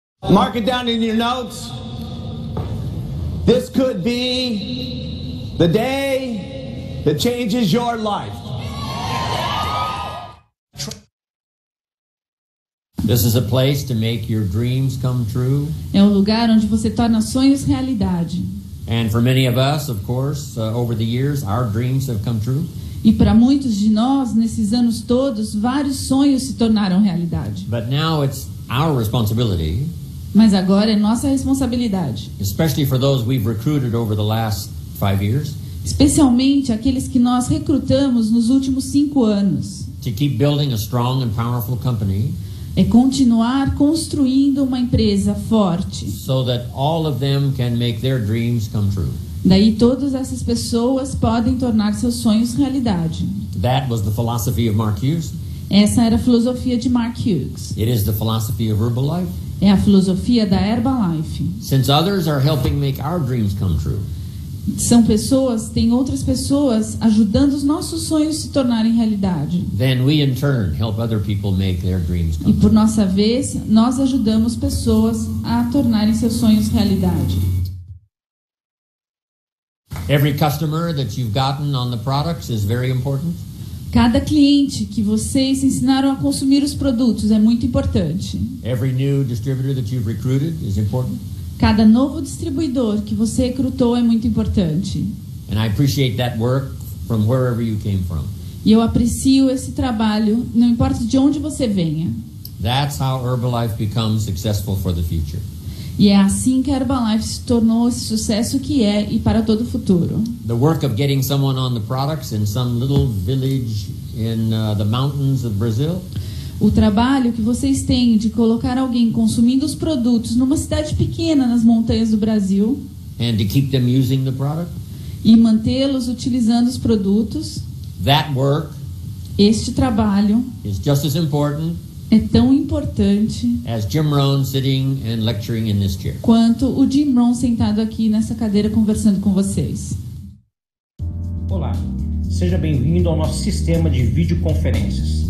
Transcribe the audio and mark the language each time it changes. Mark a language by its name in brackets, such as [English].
[English] Mark it down in your notes. This could be the day that changes your life. This is a place to make your dreams come true. [Portuguese] É um lugar onde você torna sonhos realidade. [English] And for many of us, of course, over the years, our dreams have come true. [Portuguese] E para muitos de nós, nesses anos todos, vários sonhos se tornaram realidade. [English] But now it's our responsibility. [Portuguese] Mas agora é nossa responsabilidade. [English] Especially for those we've recruited over the last 5 years. [Portuguese] Especialmente aqueles que nós recrutamos nos últimos 5 anos. [English] To keep building a strong and powerful company. [Portuguese] É continuar construindo uma empresa forte. [English] So that all of them can make their dreams come true. [Portuguese] Daí todas essas pessoas podem tornar seus sonhos realidade. [English] That was the philosophy of Mark Hughes. [Portuguese] Essa era a filosofia de Mark Hughes. [English] It is the philosophy of Herbalife. [Portuguese] É a filosofia da Herbalife. [English] Since others are helping make our dreams come true. [Portuguese] são pessoas, tem outras pessoas ajudando os nossos sonhos se tornarem realidade. [English] Then we in turn help other people make their dreams come. [Portuguese] E por nossa vez, nós ajudamos pessoas a tornarem seus sonhos realidade. [English] Every customer that you've gotten on the products is very important. [Portuguese] Cada cliente que vocês ensinaram a consumir os produtos é muito importante. [English] Every new distributor that you've recruited is important. [Portuguese] Cada novo distribuidor que você recrutou é muito importante. [English] And I appreciate that work from wherever you came from. [Portuguese] E eu aprecio esse trabalho, não importa de onde você venha. [English] That's how Herbalife becomes successful for the future. [Portuguese] E é assim que a Herbalife se tornou esse sucesso que é e para todo o futuro. [English] The work of getting someone on the products in some little village in the mountains of Brazil. [Portuguese] O trabalho que vocês têm de colocar alguém consumindo os produtos numa cidade pequena nas montanhas do Brasil. [English] And to keep them using the product. [Portuguese] E mantê-los utilizando os produtos. [English] That work. [Portuguese] Este trabalho. [English] Is just as important. [Portuguese] É tão importante. [English] As Jim Rohn sitting and lecturing in this chair. [Portuguese] Quanto o Jim Rohn sentado aqui nessa cadeira conversando com vocês. Olá. Seja bem-vindo ao nosso sistema de videoconferências.